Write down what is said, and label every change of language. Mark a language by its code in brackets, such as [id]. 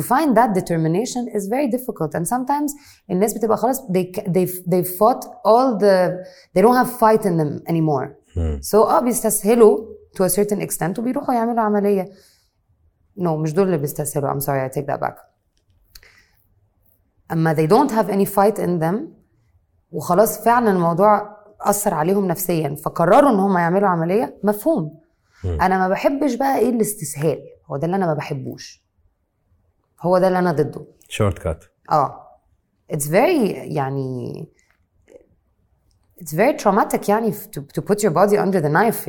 [en] to find that determination is very difficult and sometimes [ar] الناس بتبقى خلاص [en] they fought all the they don't have fight in them anymore. So [ar] بيستسهلوا [en] to a certain extent [ar] وبيروحوا يعملوا عملية. [en] No, [ar] مش دول اللي بيستسهلوا. [en] I'm sorry, I take that back. [ar] اما [en] they don't have any fight in them [ar] وخلاص فعلا الموضوع أثر عليهم نفسيا فقرروا ان هم يعملوا عملية, مفهوم. انا ما بحبش بقى ايه الاستسهال, هو ده اللي انا ما بحبوش, هو ده اللي انا ضده. [en] Shortcut. It's very يعني it's very traumatic يعني to put your body under the knife.